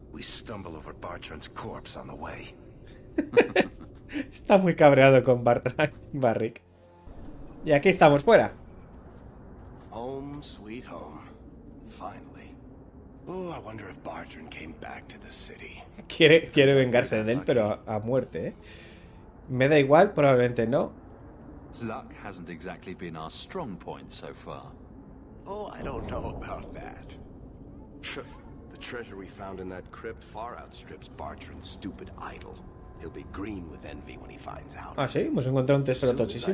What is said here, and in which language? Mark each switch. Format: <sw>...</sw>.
<en>We stumble over Bartrand's corpse on the way.</en> <es>Está muy cabreado con Barrick. Y aquí estamos fuera.</es> <en>Home sweet home. Finally. Oh, I wonder if Bartrand came back to the city.</en> <es>Quiere vengarse de él, pero a muerte, ¿eh? Me da igual, probablemente no.</es> <en>Luck hasn't exactly been our strong point so far. Oh, I don't know about that. The treasure we found in that crypt far outstrips Bartrand's stupid idol. He'll be green with envy when he finds out.</en> <es>Ah, sí, hemos encontrado un tesoro tochísimo.</es>